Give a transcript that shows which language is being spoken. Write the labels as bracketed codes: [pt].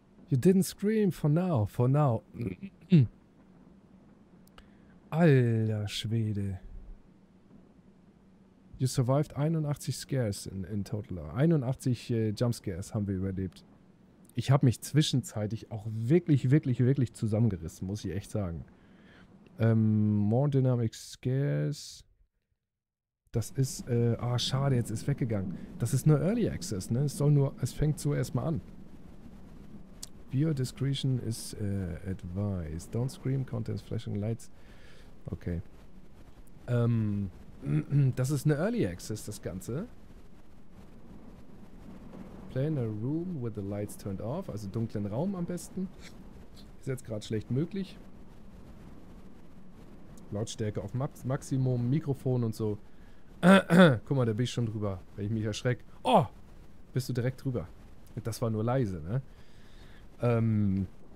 [en] You didn't scream for now. For now. [de] Alter Schwede. [en] You survived 81 scares in total. [de] 81 Jumpscares haben wir überlebt. Ich habe mich zwischenzeitlich auch wirklich, wirklich, wirklich zusammengerissen, muss ich echt sagen. [en] More dynamic scares. [de] Das ist, schade, jetzt ist weggegangen. Das ist nur Early Access, ne? Es soll nur, es fängt so erstmal an. [en] Viewer discretion is advised. Don't scream, contents flashing lights. Okay. [de] Das ist eine Early Access, das Ganze. [en] Play in a room with the lights turned off. [de] Also dunklen Raum am besten. Ist jetzt gerade schlecht möglich. Lautstärke auf Maximum, Mikrofon und so. Guck mal, da bin ich schon drüber, wenn ich mich erschrecke. Oh, bist du direkt drüber. Das war nur leise, ne?